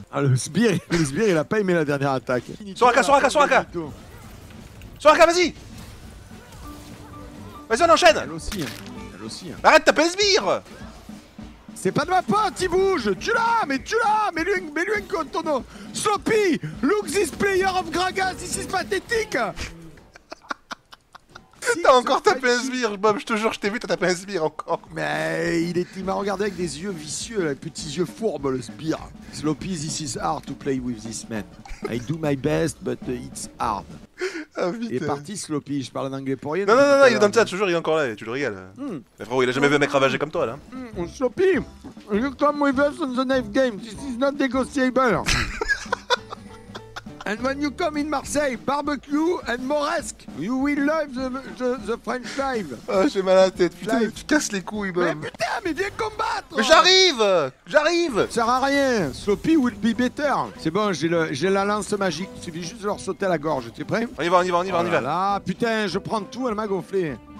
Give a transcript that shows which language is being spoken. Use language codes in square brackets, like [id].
[fr] Ah, le sbire il a pas aimé la dernière attaque. Sur Aka. Sur Aka, vas-y. Vas-y, on enchaîne. Elle aussi, hein. Arrête, t'as pas un sbire! C'est pas de ma faute, il bouge! Tu l'as, mets-lui un code, ton nom! Sloppy! [en] Look this player of Gragas, this is pathetic! [fr] T'as encore tapé un sbire, Bob, je te jure, je t'ai vu, t'as tapé un sbire encore! Mais il m'a regardé avec des yeux vicieux, les petits yeux fourbes, le sbire! [en] Sloppy, this is hard to play with this man. I do my best, but it's hard. [fr] Il est parti, Sloppy, je parle en anglais pour rien. Non, il est dans le chat, toujours, il est encore là, tu le régales. Mais frérot, il a jamais vu un mec ravagé comme toi là. [en] Sloppy, you come with us on the knife game, this is not negotiable. And when you come in Marseille, barbecue and moresque, you will love the French live. [fr] Oh, j'ai mal à la tête, putain, live. Tu casses les couilles, Bob. Mais putain, mais viens combattre. Mais j'arrive. Ça sert à rien, Sloppy [en] will be better. [fr] C'est bon, j'ai la lance magique, il suffit juste de leur sauter à la gorge, t'es prêt? On y va. Ah, putain, je prends tout, elle m'a gonflé.